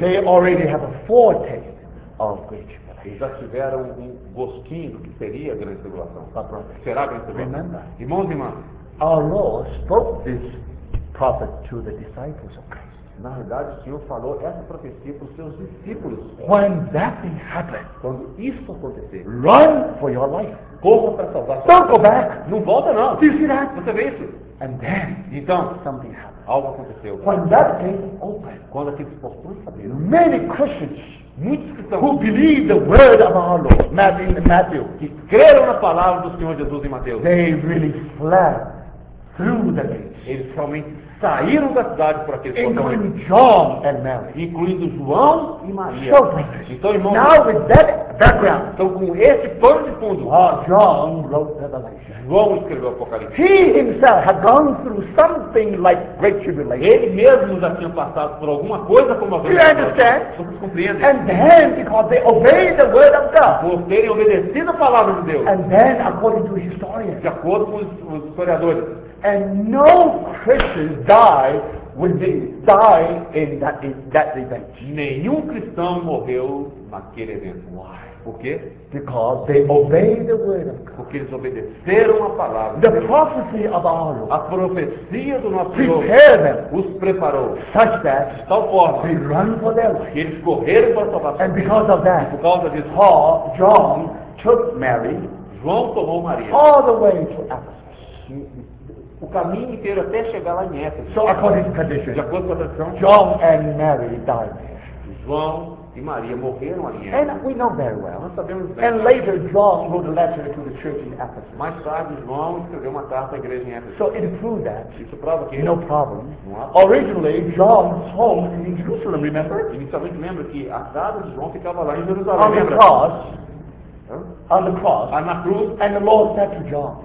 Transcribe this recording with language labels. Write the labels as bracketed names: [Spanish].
[English] they already have a foretaste of great tribulation. [Portuguese] Já tiveram um gostinho do que seria a grande tribulação. [English] But, brothers, [Portuguese] será a grande tribulação. [English] Remember, [Portuguese] irmãos e irmãs, [English] our Lord spoke this prophet to the disciples of Christ. [Portuguese] Na verdade, o Senhor falou essa profecia para os seus discípulos. [English] When that thing happens, [Portuguese] quando isso acontecer, [English] run for your life. [Portuguese] Corra para salvar sua vida. [English] Don't go back. [Portuguese] Não volta não. [English] Do you see that? [Portuguese] Você vê isso? [English] And then, [Portuguese] então, [English] something happened. [Portuguese] Algo aconteceu. [English] When that gate opened, [Portuguese] quando aqueles portões abriram, [English] many Christians, [Portuguese] muitos cristãos, [English] who believe the word of our Lord, Matthew, [Portuguese] que creram na palavra do Senhor Jesus em Mateus, [English] they really fled through the gates. [Portuguese] Eles realmente saíram da cidade por aqueles portões. [English] Including John and Mary. [Portuguese] Incluindo João e Maria. [English] So, [Portuguese] então, irmãos, [English] now with that background, [Portuguese] então com esse pano de fundo, [English] John wrote Revelation. [Portuguese] João escreveu Apocalipse. [English] He himself had gone through something like great tribulation. [Portuguese] Ele mesmo já tinha passado por alguma coisa como a grande tribulação. Vocês compreendem? [English] And then because they obeyed the word of God. [Portuguese] Por terem obedecido a palavra de Deus. [English] And then according to historians. [Portuguese] De acordo com os historiadores. [English] And no Christians die when they die in that event. [Portuguese] Nenhum cristão morreu naquele evento. [English] Why? [Portuguese] Por quê? [English] Because they obeyed the word of God. [Portuguese] Porque eles obedeceram a palavra. [English] The prophecy of our Lord. [Portuguese] A profecia do nosso Senhor. [English] Prepare them. [Portuguese] Os preparou. [English] Such that [Portuguese] de tal forma [English] they run for their life. [Portuguese] Que eles correram para salvar. [English] And because of that, [Portuguese] por causa disso, [English] Paul, John took Mary. [Portuguese] João tomou Maria. [English] All the way to Ephesus. [Portuguese] O caminho inteiro até chegar lá em Éfeso. [English] So according to tradition, [Portuguese] de acordo com a tradição, [English] John and Mary died there. [Portuguese] João e Maria morreram ali. [English] And we know very well. [Portuguese] Nós sabemos bem. [English] And later John wrote a letter to the church in Ephesus. [Portuguese] Mais tarde João escreveu uma carta à igreja em Éfeso. [English] So it proves that. [Portuguese] Isso prova que [English] no problem. [Portuguese] Não há. [English] Originally John's home was in Jerusalem, remember? [Portuguese] Inicialmente lembra que a casa de João ficava lá em Jerusalém. [English] On the cross. On the cross. [Portuguese] Ah, na cruz. [English] And the Lord said to John.